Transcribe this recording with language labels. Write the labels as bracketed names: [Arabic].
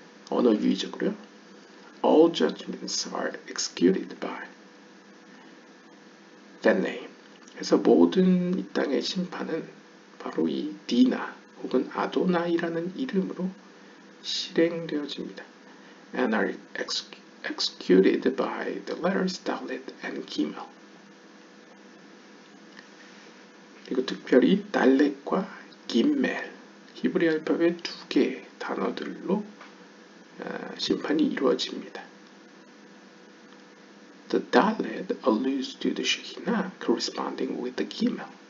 [Korean] 언어유의적으로요. [English] All judgments are executed by that name. [Korean] 그래서 모든 이 땅의 심판은 바로 이 디나 혹은 아도나이라는 이름으로 실행되어집니다. [English] And are executed by the letters Dalet and Gimel. [Korean] 그리고 특별히 달렛과 김멜, 히브리 알파벳 두 개의 단어들로 심판이 이루어집니다. [English] The Dalet alludes to the Shekhinah corresponding with the Gimel.